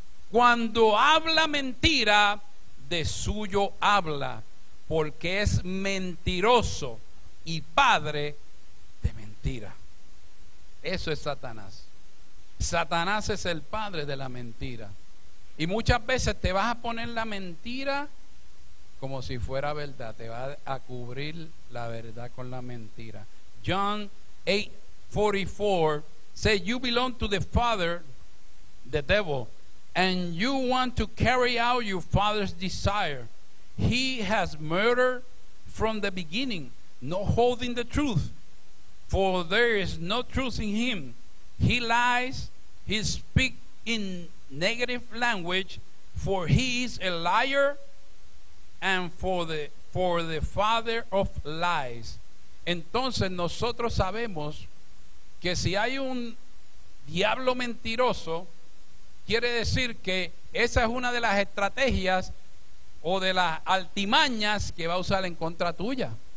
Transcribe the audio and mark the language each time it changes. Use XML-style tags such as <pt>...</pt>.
<es>Cuando habla mentira, de suyo habla, porque es mentiroso y padre de mentira. Eso es Satanás. Satanás es el padre de la mentira. Y muchas veces te vas a poner la mentira como si fuera verdad, te va a cubrir la verdad con la mentira.</es> <en>John 8:44 say, you belong to the father, the devil, and you want to carry out your father's desire. He has murdered from the beginning, not holding the truth, for there is no truth in him. He lies, he speaks in negative language, for he is a liar and for the father of lies.</en> <es>Entonces nosotros sabemos que si hay un diablo mentiroso, quiere decir que esa es una de las estrategias o de las artimañas que va a usar en contra tuya.</es>